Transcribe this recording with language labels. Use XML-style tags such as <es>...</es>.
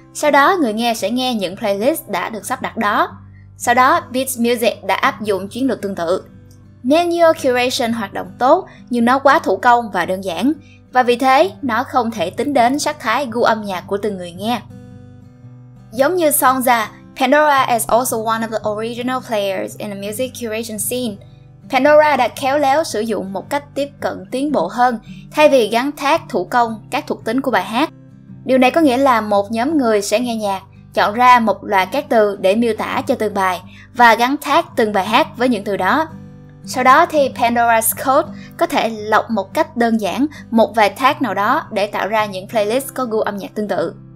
<vi>Sau đó người nghe sẽ nghe những playlist đã được sắp đặt đó. Sau đó Beats Music đã áp dụng chiến lược tương tự. Manual Curation hoạt động tốt nhưng nó quá thủ công và đơn giản, và vì thế nó không thể tính đến sắc thái gu âm nhạc của từng người nghe. Giống như</vi> <en>Sonja, Pandora is also one of the original players in the music curation scene.</en> <vi>Pandora đã khéo léo sử dụng một cách tiếp cận tiến bộ hơn thay vì gắn thác thủ công các thuộc tính của bài hát. Điều này có nghĩa là một nhóm người sẽ nghe nhạc, chọn ra một loạt các từ để miêu tả cho từng bài và gắn thác từng bài hát với những từ đó. Sau đó thì Pandora's Code có thể lọc một cách đơn giản một vài tag nào đó để tạo ra những playlist có gu âm nhạc tương tự.</vi>